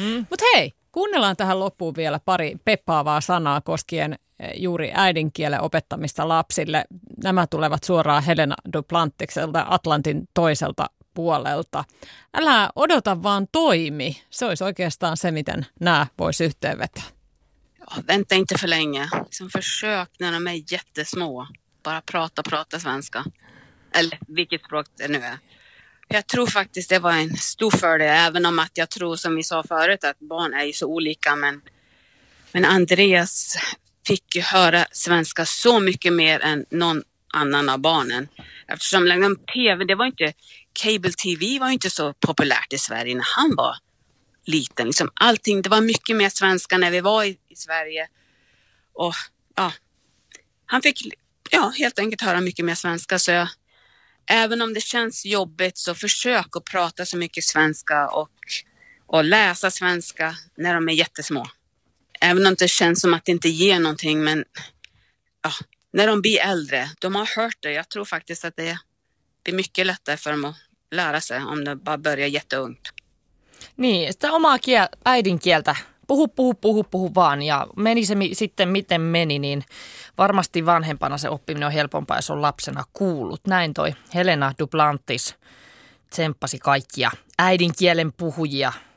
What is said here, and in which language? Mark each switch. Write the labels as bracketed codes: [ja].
[fi] Mutta hei, kuunnellaan tähän loppuun vielä pari peppaavaa sanaa koskien juuri äidinkielen opettamista lapsille. Nämä tulevat suoraan Helena Duplantikselta Atlantin toiselta puolelta. Älä odota vaan toimi. Se olisi oikeastaan se, miten nämä voisi yhteenvetää. [sv] Vänta inte för länge. Liksom försök när de är jättesmå. Bara prata svenska. Eller vilket språk det nu är. Jag tror faktiskt det var en stor fördel. Även om att jag tror, som vi sa förut, att barn är ju så olika. Men Andreas fick ju höra svenska så mycket mer än någon annan av barnen. Eftersom TV, det var inte... Cable TV var inte så populärt i Sverige när han var liten. Liksom allting, det var mycket mer svenska när vi var i Sverige. Och ja, han fick helt enkelt höra mycket mer svenska. Så även om det känns jobbigt, så försök att prata så mycket svenska och läsa svenska när de är jättesmå. Även om det känns som att det inte ger någonting, men när de blir äldre, de har hört det. Jag tror faktiskt att det är mycket lättare för dem att lära sig om det bara börjar jätteungt. [fi] Niin, sitä omaa äidinkieltä. Puhu vaan. Ja meni se sitten miten meni, niin varmasti vanhempana se oppiminen on helpompaa, jos on lapsena kuullut. Näin toi Helena Duplantis tsemppasi kaikkia äidinkielen puhujia.